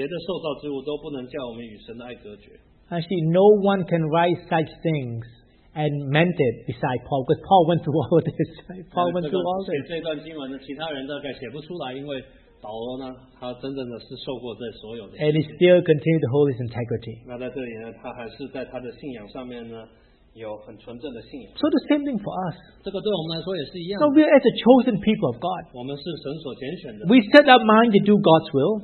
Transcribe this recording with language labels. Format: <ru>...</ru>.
<zh>因为我所深信,无论是死,是生,是天使,是掌权的,是有能的,是现在的,是将来的,是高处的,是低处,是别的受造之物,都不能叫我们与神的爱隔绝。</zh> <en>Actually, no one can write such things and meant it beside Paul, because Paul went through all this. Paul went through all this.</en> <zh>这段经文呢,其他人大概写不出来,因为 保罗呢,</zh> <en>and he still continued to hold his integrity.</en> <zh>那在这里呢,</zh> <en>so the same thing for us. So we are as a chosen people of God.</en> <zh>我们是神所拣选的,</zh> <en>we set our mind to do God's will.</en>